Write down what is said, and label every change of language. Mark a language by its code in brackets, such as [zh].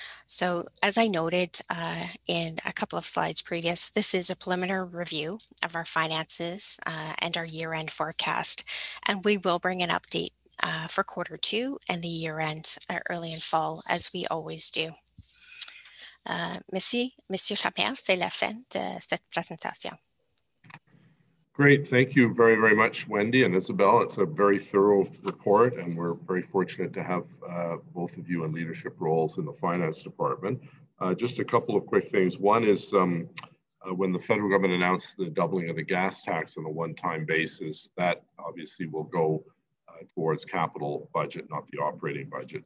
[en] So as I noted in a couple of slides previous, this is a preliminary review of our finances and our year-end forecast, and we will bring an update for quarter two and the year-end early in fall, as we always do. [fr] Merci, Monsieur Chapelle, c'est la fin de cette présentation. [en] Great. Thank you very, very much, Wendy and Isabel. It's a very thorough report, and we're very fortunate to have both of you in leadership roles in the finance department. Just a couple of quick things. One is when the federal government announced the doubling of the gas tax on a one-time basis, that obviously will go towards capital budget, not the operating budget.